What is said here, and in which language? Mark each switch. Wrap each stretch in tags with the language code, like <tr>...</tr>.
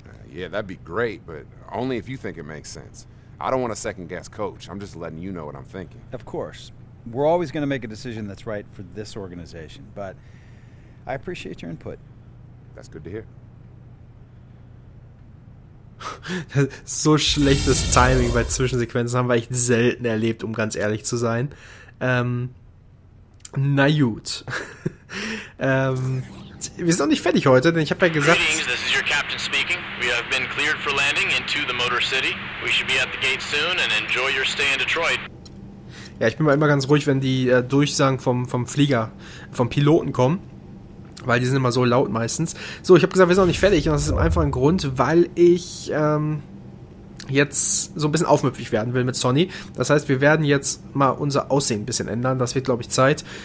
<en>Yeah, that'd be great, but only if you think it makes sense. I don't want to second-guess coach. I'm just letting you know what I'm thinking. Of course. We're always going to make a decision that's right for this organization, but I appreciate your input. That's good to hear.</en> <de>So schlechtes Timing bei Zwischensequenzen haben wir echt selten erlebt, um ganz ehrlich zu sein. Na gut. Wir sind noch nicht fertig heute, denn ich habe ja gesagt...</de> <en>Greetings, this is your captain speaking. We have been cleared for landing into the Motor City. We should be at the gate soon and enjoy your stay in Detroit.</en> <de>Ja, ich bin mal immer ganz ruhig, wenn die Durchsagen vom Flieger, vom Piloten kommen. Weil die sind immer so laut meistens. So, ich habe gesagt, wir sind noch nicht fertig. Und das ist einfach ein Grund, weil ich jetzt so ein bisschen aufmüpfig werden will mit Sonny. Das heißt, wir werden jetzt mal unser Aussehen ein bisschen ändern. Das wird, glaube ich, Zeit.</de>